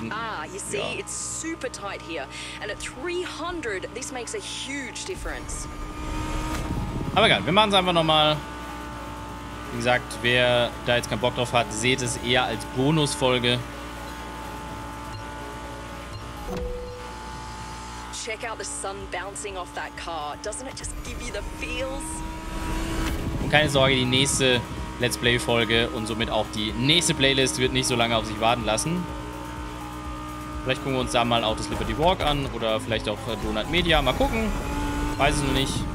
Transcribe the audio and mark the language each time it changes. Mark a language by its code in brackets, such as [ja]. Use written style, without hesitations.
[en] you see, ja. It's super tight here. And at 300, this makes a huge difference. [de] Aber egal, wir machen es einfach nochmal. Wie gesagt, wer da jetzt keinen Bock drauf hat, seht es eher als Bonusfolge. [en] Check out the sun bouncing off that car. Doesn't it just give you the feels? [de] Und keine Sorge, die nächste Let's Play-Folge und somit auch die nächste Playlist wird nicht so lange auf sich warten lassen. Vielleicht gucken wir uns da mal auch das Liberty Walk an oder vielleicht auch Donut Media. Mal gucken. Weiß es noch nicht.